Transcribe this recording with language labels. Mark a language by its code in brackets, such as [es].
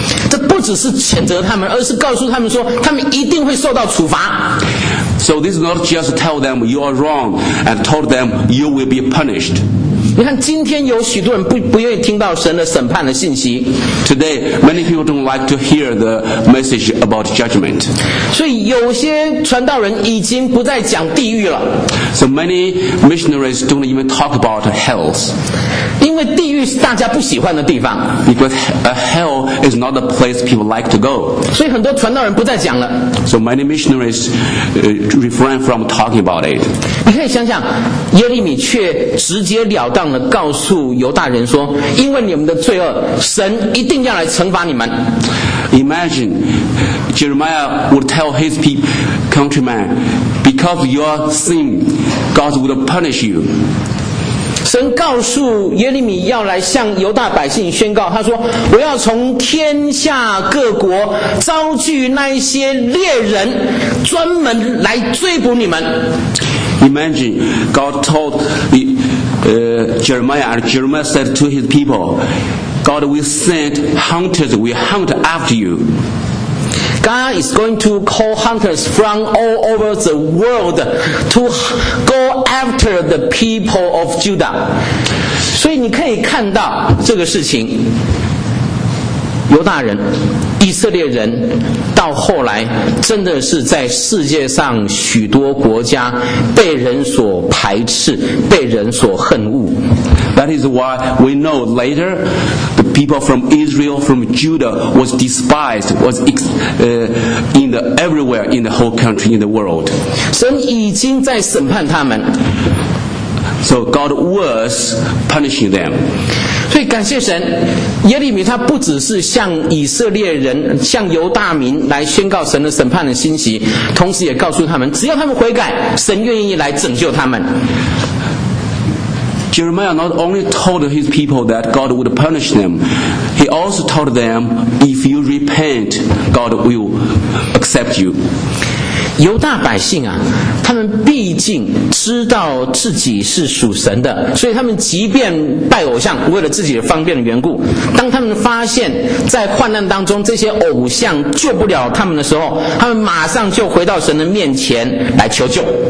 [zh] 这不只是谴责他们，而是告诉他们说，他们一定会受到处罚。 [en] So this is not just tell them you are wrong and told them you will be punished. [zh] 你看今天有许多人 不愿意听到神的审判的信息。 [en] Today, many people don't like to hear the message about judgment. [zh] 所以有些传道人已经不再讲地狱了。 [en] So many missionaries don't even talk about hell. [zh] 因为地狱是大家不喜欢的地方。 [en] Because a hell is not a place people like to go. [zh] 所以很多传道人不再讲了。 [en] So many missionaries refrain from talking about it. [zh] 你可以想想，耶利米却直截了当当了告诉犹大人说，因为你们的罪恶，神一定要来惩罚你们。 [en] Imagine Jeremiah would tell his countrymen, because of your sin, God would punish you. [zh] 神告诉耶利米要来向犹大百姓宣告，他说，我要从天下各国招聚那些猎人，专门来追捕你们。 [en] Imagine God told theJeremiah, and Jeremiah said to his people, God will send hunters, will hunt after you. God is going to call hunters from all over the world to go after the people of Judah. [zh] 所以你可以看到这个事情，犹大人，以色列人，到后来真的是在世界上许多国家被人所排斥，被人所恨恶。 [en] That is why we know later the people from Israel, from Judah was despised, was in the everywhere in the whole country in the world. [zh] 神已经在审判他们。 [en] So God was punishing them. [zh] 所以感谢神，耶利米他不只是向以色列人、向犹大民来宣告神的审判的信息，同时也告诉他们，只要他们悔改，神愿意来拯救他们。 [en] Jeremiah not only told his people that God would punish them, he also told them, if you repent, God will accept you. [zh] 犹大百姓啊，他们毕竟知道自己是属神的，所以他们即便拜偶像，为了自己的方便的缘故，当他们发现在患难当中这些偶像救不了他们的时候，他们马上就回到神的面前来求救。